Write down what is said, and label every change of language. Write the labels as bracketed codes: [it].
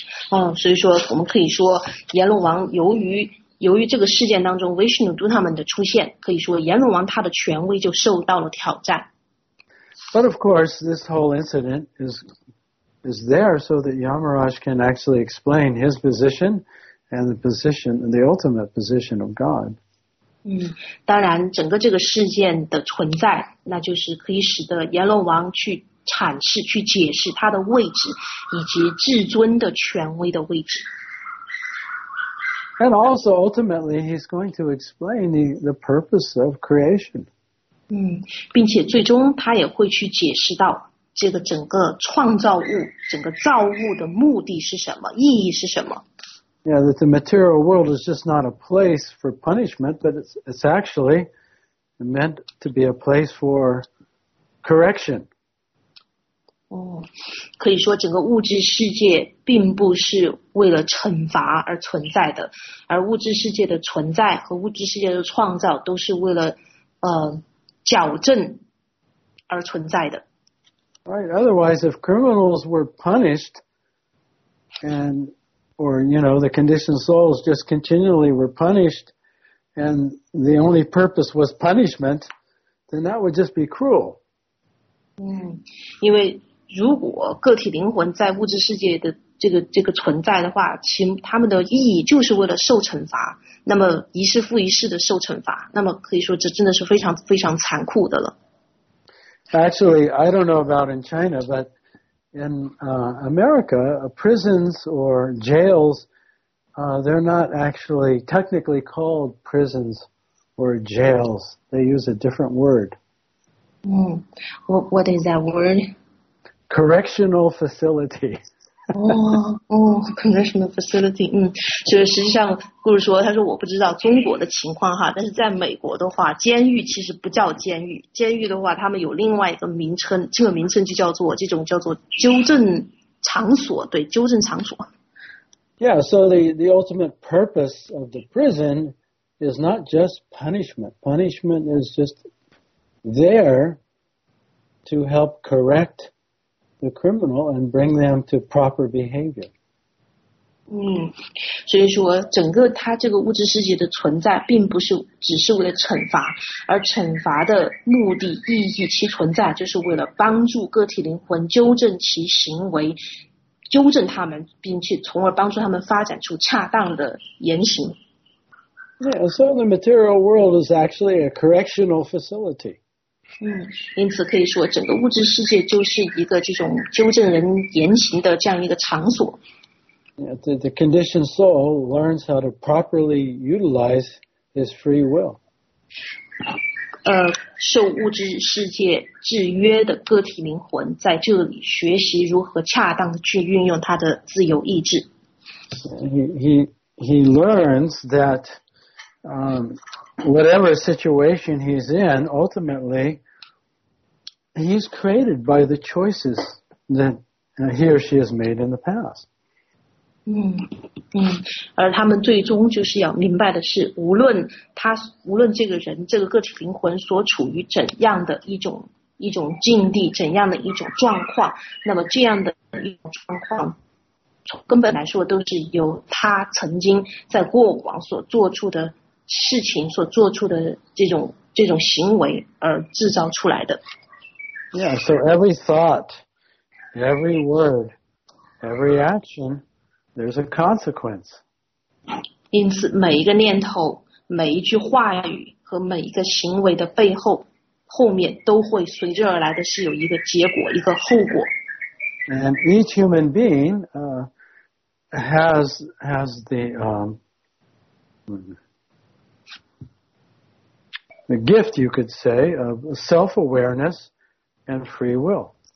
[zh] 所以说我们可以说阎罗王由于这个事件当中 Vishnu Duta 们的出现，可以说阎罗王他的权威就受到了挑战。 [en] But of course, this whole incident is there so that Yamaraj can actually explain his position and the position, the ultimate position of God. [zh] 当然整个这个事件的存在，那就是可以使得阎罗王去阐释，去解释他的位置，以及至尊的权威的位置。 [en] And also, ultimately, he's going to explain the purpose of creation. [zh] 并且最终他也会去解释到这个整个创造物，整个造物的目的是什么，意义是什么。 [en] Yeah, that the material world is just not a place for punishment, but it's actually meant to be a place for correction. [zh] 可以说整个物质世界并不是为了惩罚而存在的，而物质世界的存在和物质世界的创造都是为了矫正而存在的。 [en] Right, otherwise, if criminals were punished, and, or, you know, the conditioned souls just continually were punished, and the only purpose was punishment, then that would just be cruel. [zh] 因为如果个体灵魂在物质世界的这个存在的话，其他们的意义就是为了受惩罚，那么一世复一世的受惩罚，那么可以说这真的是非常非常残酷的了。 [en] Actually, I don't know about in China, but in America, prisons or jails, they're not actually technically called prisons or jails. They use a different word. What is that word? Correctional facility. correctional facility. [zh] 所以实际上顾叔说，他说我不知道中国的情况哈，但是在美国的话，监狱其实不叫监狱，监狱的话他们有另外一个名称，这个名称就叫做这种叫做纠正场所，对，纠正场所。 [en] Yeah, so the ultimate purpose of the prison is not just punishment. Punishment is just there to help correct the criminal and bring them to proper behavior. [zh] 所以说整个他这个物质世界的存在并不是只是为了惩罚，而惩罚的目的意义其存在就是为了帮助个体灵魂纠正其行为，纠正他们，并且从而帮助他们发展出恰当的言行。 [en] Yeah, so the material world is actually a correctional facility. [zh] 因此可以说整个物质世界就是一个这种纠正人言行的这样一个场所。 [en] Yeah, the conditioned soul learns how to properly utilize his free will. [zh] 受物质世界制约的个体灵魂在这里学习如何恰当的去运用他的自由意志。 [en] He learns that whatever situation he's in, ultimately, he's created by the choices that he or she has made in the past. [zh] 而他们最终就是要明白的是，无论这个人，这个个体灵魂所处于怎样的一种境地，怎样的一种状况，那么这样的一种状况，从根本来说，都是由他曾经在过往所做出的事情所做出的这种行为而制造出来的。 [en] Yeah, so every thought, every word, every action, there's a consequence. [zh] 因此，每一个念头、每一句话语和每一个行为的背后，后面都会随之而来的是有一个结果，一个后果。 [en] And each human being has the the gift, you could say, of self-awareness and free will.